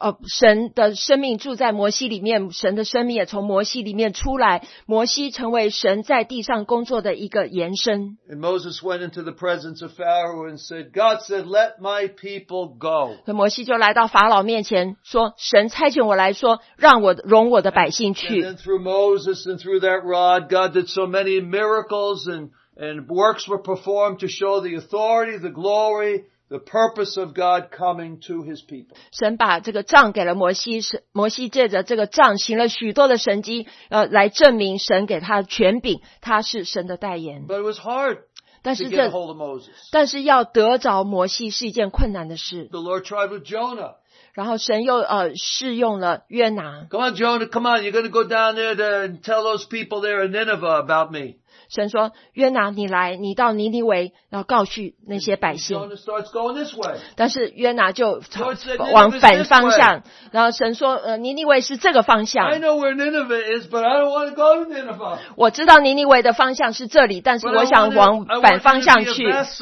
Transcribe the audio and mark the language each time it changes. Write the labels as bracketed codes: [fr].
[zh] 神的生命住在摩西里面，神的生命也从摩西里面出来，摩西成为神在地上工作的一个延伸。 [en] And Moses went into the presence of Pharaoh and said, God said, let my people go. [zh] 摩西就来到法老面前说，神差遣我来说，让我容我的百姓去。 [en] And then through Moses and through that rod, God did so many miracles and works were performed to show the authority, the glory,The purpose of God coming to his people. [zh] 神把这个杖给了摩西，摩西借着这个杖行了许多的神迹，来证明神给他权柄，他是神的代言。 [en] But it was hard to get a hold of Moses. [zh] 但是要得着摩西是一件困难的事。 [en] The Lord tried with Jonah. [zh] 然后神又试用了约拿。 [en] Come on, Jonah, come on, you're going to go down there and tell those people there in Nineveh about me. [zh] 神说，约拿你来，你到尼尼微，然后告诉那些百姓。但是约拿就往反方向，然后神说，尼尼微是这个方向。我知道尼尼微的方向是这里，但是我想往反方向去。